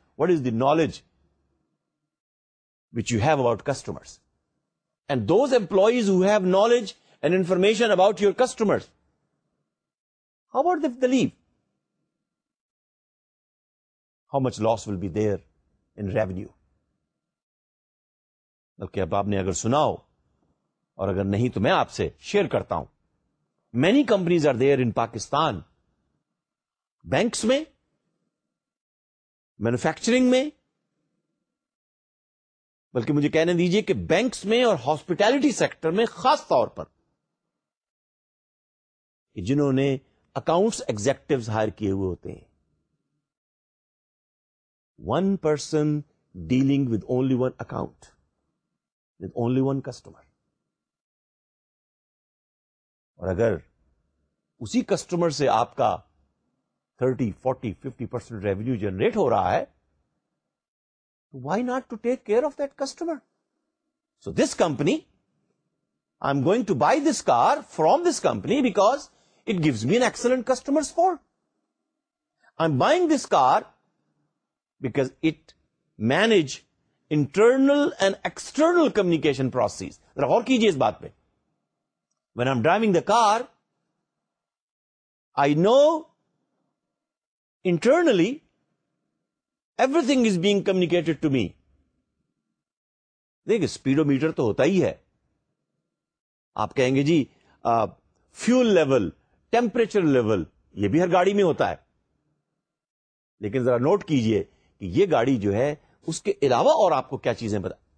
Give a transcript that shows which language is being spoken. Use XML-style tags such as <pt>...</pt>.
<en>What is the knowledge which you have about customers? And those employees who have knowledge and information about your customers, How about if they leave? How much loss will be there in revenue?</en> <ur>بلکہ اب آپ نے اگر سناؤ اور اگر نہیں تو میں آپ سے شیئر کرتا ہوں.</ur> <en>Many companies are there in Pakistan.</en> <ur>Banks میں, manufacturing میں, بلکہ مجھے کہنے دیجئے کہ banks میں اور hospitality sector میں خاص طور پر, جنہوں نے accounts executives hire کیے ہوئے ہوتے ہیں.</ur> <en>One person dealing with only one account, with only one customer.</en> <ur>اور اگر اسی کسٹمر سے آپ کا 30%, 40%, 50% ریونیو جنریٹ ہو رہا ہے, تو</ur> <en>Why not to take care of that customer. So this company, I am going to buy this car from this company because it gives me an excellent customer support. I am buying this car because it manage internal and external communication process.</en> <ur>ذرا غور کیجیے اس بات پہ.</ur> <en>When I'm driving the car, I know internally everything is being communicated to me.</en> <ur>دیکھ, speedometer تو ہوتا ہی ہے. آپ کہیں گے جی fuel level, temperature level, یہ بھی ہر گاڑی میں ہوتا ہے. لیکن ذرا نوٹ کیجئے کہ یہ گاڑی جو ہے اس کے علاوہ اور آپ کو کیا چیزیں بتا.</ur>